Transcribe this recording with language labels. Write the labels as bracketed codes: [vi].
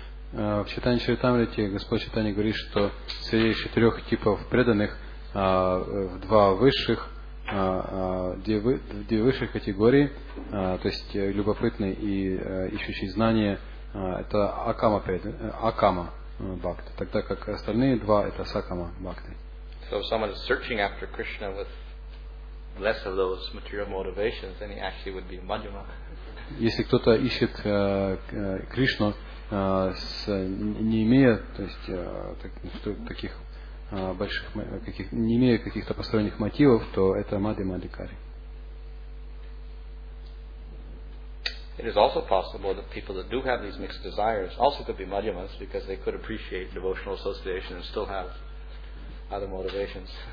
[ru] В Чайтанья Чаритамрите Господь Чайтанья говорит, что среди четырех типов преданных в два высших две высших категории, то есть любопытный и ищущий знания, это акама, бхакти, тогда как остальные два это сакама бхакти. [en] So if someone is searching after Krishna with less of those material motivations, then he actually would be a madhyama. [ru] Если кто-то ищет Кришну с не имея, то есть таких больших, каких, не имея каких-то посторонних мотивов, то это мадхьяма адхикари. [en] It is also possible that people that do have these mixed desires also could be madhyamas because they could appreciate devotional association and still have other motivations.